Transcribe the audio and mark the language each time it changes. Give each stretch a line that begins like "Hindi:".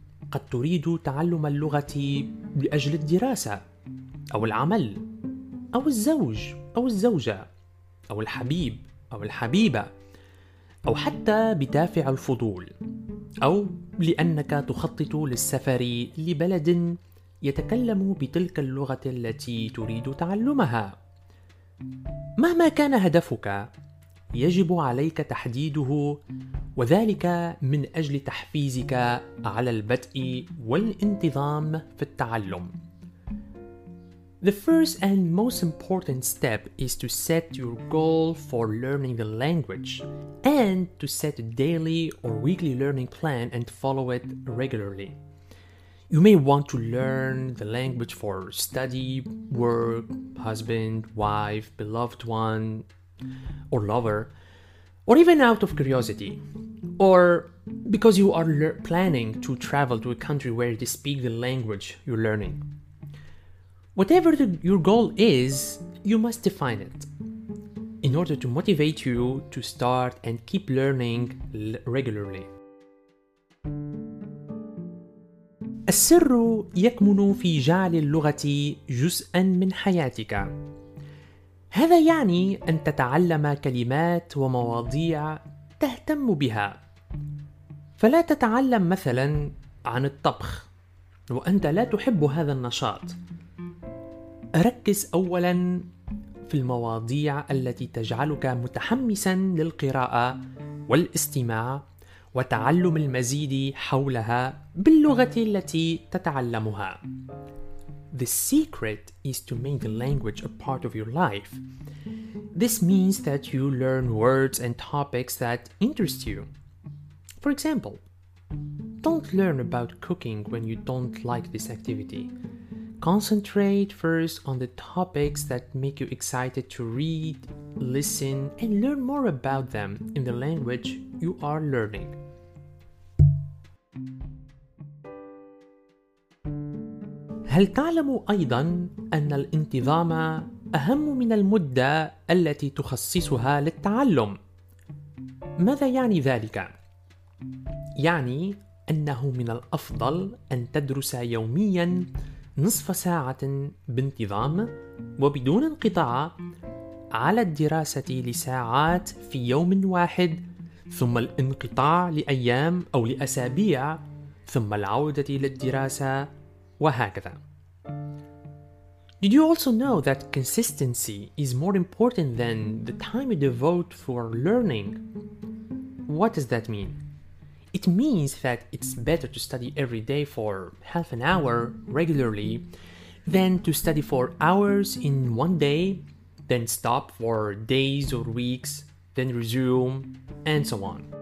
Arabic: قد تريد تعلم اللغة لأجل الدراسة أو العمل أو الزوج أو الزوجة أو الحبيب أو الحبيبة أو حتى بدافع الفضول أو لأنك تخطط للسفر لبلد يتكلم بتلك اللغة التي تريد تعلمها. مهما كان هدفك، يجب عليك تحديده، وذلك من أجل تحفيزك على البدء والانتظام في التعلم.
English: The first and most important step is to set your goal for learning the language and to set a daily or weekly learning plan and follow it regularly. You may want to learn the language for study, work, husband, wife, beloved one, or lover, or even out of curiosity, or because you are planning to travel to a country where they speak the language you're learning. Whatever your goal is, you must define it in order to motivate you to start and keep learning regularly.
Arabic: السر يكمن في جعل اللغة جزءا من حياتك. هذا يعني أن تتعلم كلمات ومواضيع تهتم بها. فلا تتعلم مثلا عن الطبخ وأنت لا تحب هذا النشاط. ركز أولا في المواضيع التي تجعلك متحمسا للقراءة والاستماع وتعلم المزيد حولها باللغة التي تتعلمها.
English: The secret is to make the language a part of your life. This means that you learn words and topics that interest you. For example, don't learn about cooking when you don't like this activity. Concentrate first on the topics that make you excited to read, listen, and learn more about them in the language you are learning.
Arabic: هل تعلم أيضاً أن الانتظام أهم من المدة التي تخصصها للتعلم؟ ماذا يعني ذلك؟ يعني أنه من الأفضل أن تدرس يومياً نصف ساعة بانتظام وبدون انقطاع على الدراسة لساعات في يوم واحد، ثم الانقطاع لأيام أو لأسابيع، ثم العودة للدراسة وهكذا.
English: Did you also know that consistency is more important than the time you devote for learning? What does that mean? It means that it's better to study every day for half an hour regularly than to study for hours in one day, then stop for days or weeks, then resume, and so on.